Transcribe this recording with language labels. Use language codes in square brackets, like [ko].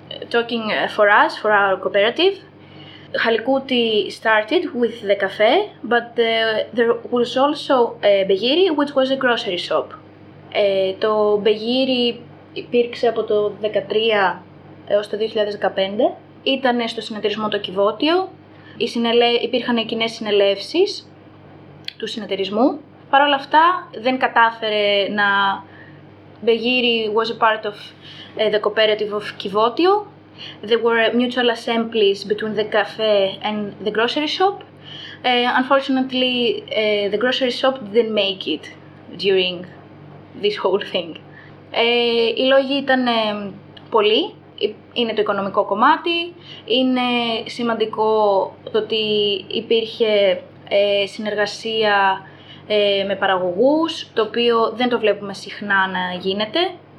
[en] Talking for us, for our cooperative, Χαλκούτι started with the cafe, but there was also Μπεγύρι, which was a grocery shop. [el] Το Μπεγύρι υπήρξε από το 2013 έως το 2015. Ήταν στο συνεταιρισμό το Κιβώτιο. Υπήρχαν κοινές συνελεύσεις του συνεταιρισμού. Παρ' όλα αυτά, δεν κατάφερε να... [en] Μπεγύρι was a part of the cooperative of Κιβώτιο. There were mutual assemblies between the cafe and the grocery shop. Unfortunately, the grocery shop didn't make it during this whole thing. [el] Οι λόγοι ήταν πολλοί. Είναι το οικονομικό κομμάτι. Είναι σημαντικό το ότι υπήρχε συνεργασία με παραγωγούς, το οποίο δεν το βλέπουμε συχνά να γίνεται.